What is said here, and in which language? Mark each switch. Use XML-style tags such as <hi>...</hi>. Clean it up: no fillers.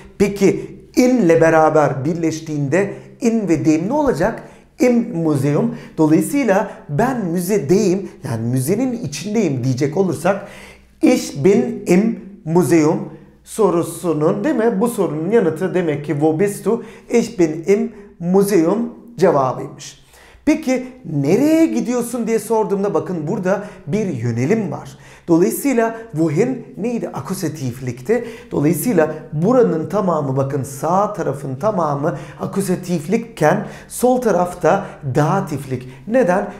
<tr>Peki in ile beraber birleştiğinde in ve deyim ne olacak?</tr> <de>Im Museum.</de> <tr>Dolayısıyla ben müzedeyim, yani müzenin içindeyim diyecek olursak</tr> <de>Ich bin im Museum</de> <tr>sorusunun, değil mi? Bu sorunun yanıtı demek ki</tr> <de>Wo bist du? Ich bin im Museum</de> <tr>cevabıymış. Peki nereye gidiyorsun diye sorduğumda, bakın burada bir yönelim var. Dolayısıyla wohin neydi? Akusatiflikti. Dolayısıyla buranın tamamı, bakın sağ tarafın tamamı akusatiflikken sol tarafta datiflik. Neden?</tr>